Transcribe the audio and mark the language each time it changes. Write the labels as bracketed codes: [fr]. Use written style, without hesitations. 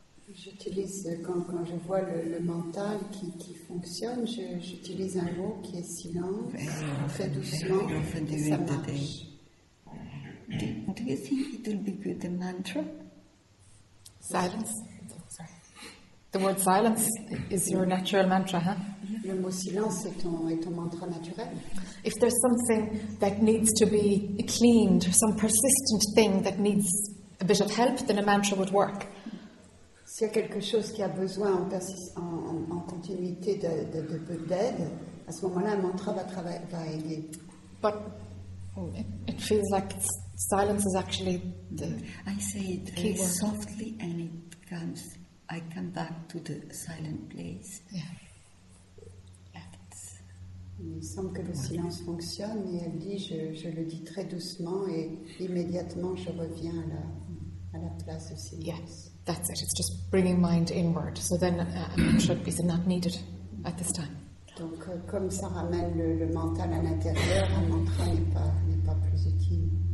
[fr] J'utilise, quand je vois le mental qui fonctionne, j'utilise un mot qui est silence, très doucement, et ça marche. [en] Today. Do you think it will be good, the mantra? Silence. The word silence is your natural mantra, huh? [fr] Le mot silence est ton mantra naturel. [en] If there's something that needs to be cleaned, some persistent thing that needs a bit of help, then a mantra would work. [fr] S'il y a quelque chose qui a besoin en continuité de peu d'aide, à ce moment-là, un mantra va aider. [en] But it feels like it's silence is actually the I say it key word. Softly and it comes. I come back to the silent place. Yeah. Yeah, [fr] il semble que le silence fonctionne et elle dit je le dis très doucement et immédiatement je reviens à la place du silence. [en] Yes, that's it. It's just bringing mind inward. So then it should be not needed at this time. [fr] Donc comme ça ramène le mental à l'intérieur, un mantra n'est pas plus utile.